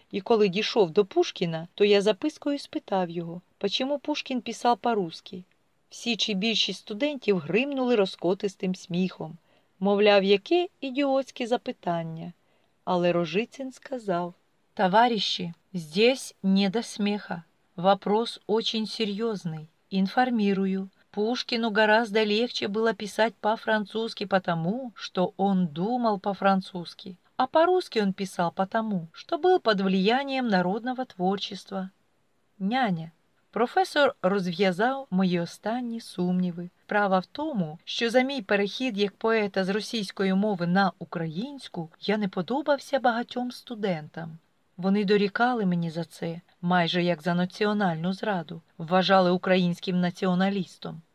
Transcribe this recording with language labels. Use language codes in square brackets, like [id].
[uk] І коли дійшов до Пушкіна, то я запискою спитав його, почому Пушкін писав по-русски. Всі чи більшість студентів гримнули розкотистим сміхом. Мовляв, яке ідіотське запитання. Але Рожицин сказав: «Товариші, [ru] здесь не до [uk] сміха. [ru] Вопрос очень серйозний. Інформірую. Пушкину гораздо легче было писать по-французски потому, что он думал по-французски, а по-русски он писал потому, что был под влиянием народного творчества». Няня. [uk] Професор розв'язав мої останні сумніви. Справа в тому, що за мій перехід як поета з російської мови на українську я не подобався багатьом студентам. Вони дорікали мені за це, майже як за національну зраду, вважали українським націоналістом.